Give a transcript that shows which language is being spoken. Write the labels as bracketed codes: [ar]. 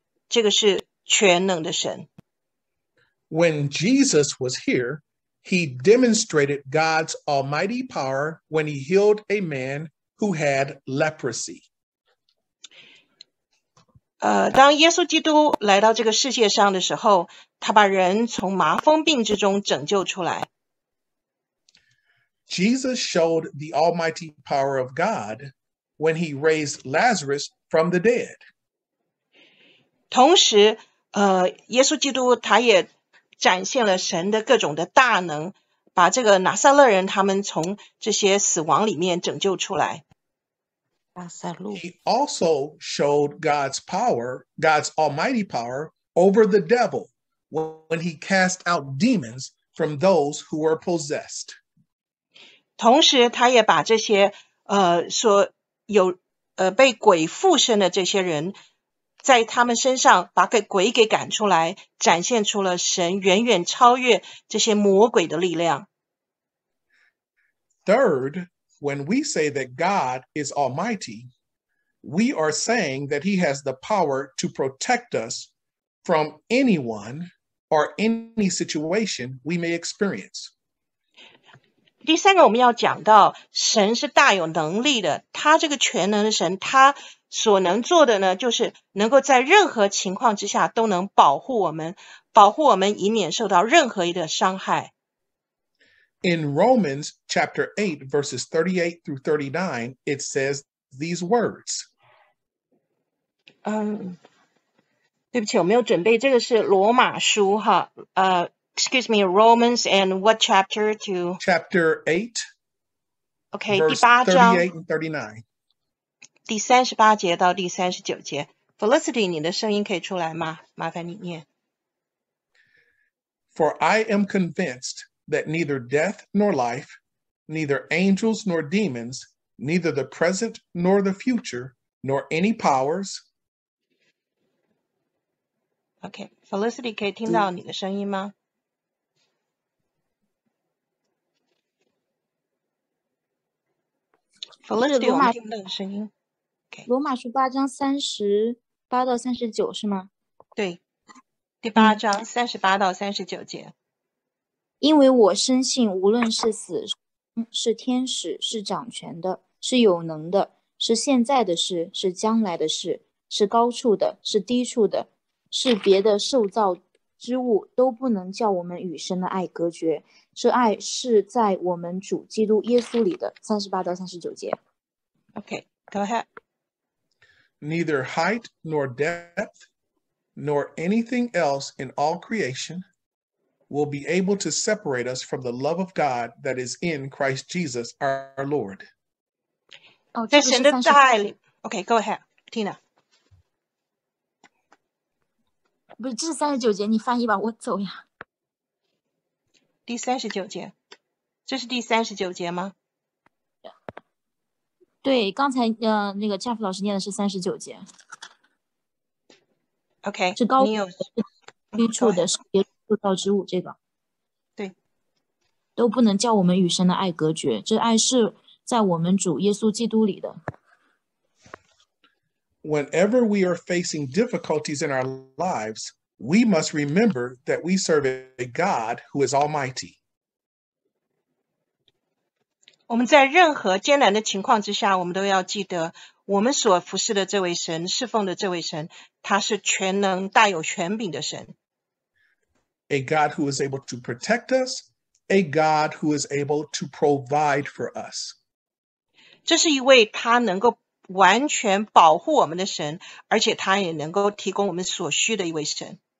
[zh] 这个是全能的神。 [en] When Jesus was here, he demonstrated God's almighty power when he healed a man who had leprosy. [zh] 当耶稣基督来到这个世界上的时候，他把人从麻风病之中拯救出来。 [en] Jesus showed the almighty power of God when he raised Lazarus from the dead. [zh] 同时，耶稣基督他也展现了神的各种的大能，把这个拿撒勒人他们从这些死亡里面拯救出来。拿撒路。 [en] He also showed God's power, God's almighty power over the devil when he cast out demons from those who were possessed. [zh] 同时他也把这些所有被鬼附身的这些人在他们身上把鬼给赶出来，展现出了神远远超越这些魔鬼的力量。 [en] Third, when we say that God is almighty, we are saying that he has the power to protect us from anyone or any situation we may experience. [zh] 第三个我们要讲到神是大有能力的，他这个全能的神，他所能做的呢，就是能够在任何情况之下都能保护我们，保护我们以免受到任何的伤害。 [en] In Romans chapter 8, verses 38 through 39, it says these words. [zh] 对不起，我没有准备，这个是罗马书哈。 [en] Excuse me, Romans and what chapter to? Chapter 8. Okay, verse 38 and 39. [zh] 第38节到第39节。 Felicity, 你的声音可以出来吗？麻烦你念。 [en] For I am convinced that neither death nor life, neither angels nor demons, neither the present nor the future, nor any powers. [zh] Okay, Felicity, 可以听到你的声音吗？ Felicity, 我们听到你的声音。 [en] Okay. [zh] 罗马书八章三十八到三十九是吗？对，第八章三十八到三十九节。因为我深信，无论是死是天使，是掌权的，是有能的，是现在的事，是将来的事，是高处的，是低处的，是别的受造之物，都不能叫我们与神的爱隔绝。这爱是在我们主基督耶稣里的。三十八到三十九节。 [en] Okay, go ahead. Neither height nor depth, nor anything else in all creation. Will be able to separate us from the love of God that is in Christ Jesus our Lord. Oh, this is the dialogue. Okay, go ahead, Tina. [zh] 不是，这是三十九节，你翻译吧，我走呀。第三十九节，这是第三十九节吗？对，刚才那个 Jeff 老师念的是三十九节。 [en] Okay, [zh] 是高低处的是别。受造之物，这个对，都不能叫我们与神的爱隔绝。这爱是在我们主耶稣基督里的。 [en] Whenever we are facing difficulties in our lives, we must remember that we serve a God who is Almighty. [zh] 我们在任何艰难的情况之下，我们都要记得，我们所服侍的这位神，侍奉的这位神，他是全能、大有权柄的神。 [en] A God who is able to protect us, a God who is able to provide for us. [zh] 这是一位他能够完全保护我们的神，而且他也能够提供我们所需的一位神。